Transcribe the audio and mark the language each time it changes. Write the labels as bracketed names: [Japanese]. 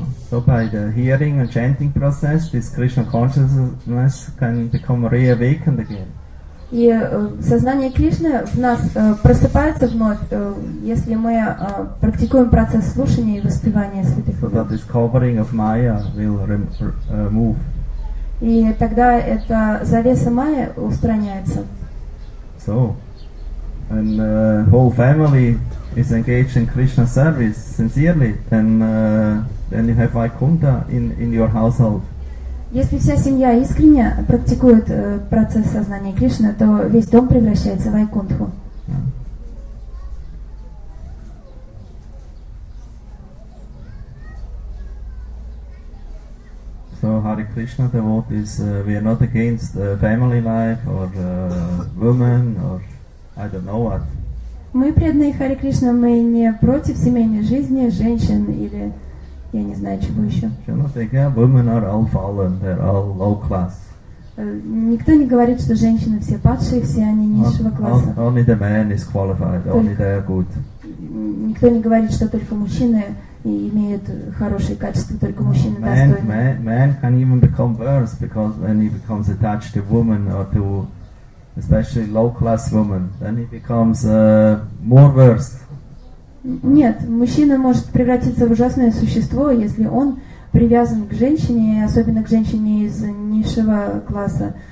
[English] So by the hearing and chanting process, this Krishna consciousness can become reawakened again. [Russian] И сознание Кришны в нас просыпается вновь, если мы практикуем процесс слушания и воспевания святых. [English] So that this covering of Maya will remove. [Russian] И тогда эта завеса Майи устраняется. [English] So. And the whole family is engaged in Krishna service sincerely, then you have Vaikuntha in your household. [Russian] Если вся семья искренне практикует процесс сознания Кришны, то весь дом превращается в Вайкунтху. [English] So Hare Krishna devotees, we are not against family life or women or I don't know what. [Russian] Мы преданные Харе Кришна, мы не против семейной жизни, женщин или я не знаю чего еще. [English] You know, they are women are all fallen, they're all low class. [Russian] Никто не говорит, что женщины все падшие, все они низшего класса. [English] Only the man is qualified, [Russian] только [English] only they are good. [Russian] Никто не говорит, что только мужчины имеют хорошие качества, только мужчины достойны. [English] Man can even become worse because when he becomes attached to woman or to especially low-class woman, then he becomes more worse. [Russian] Нет, мужчина может превратиться в ужасное существо, если он привязан к женщине, особенно к женщине из низшего класса.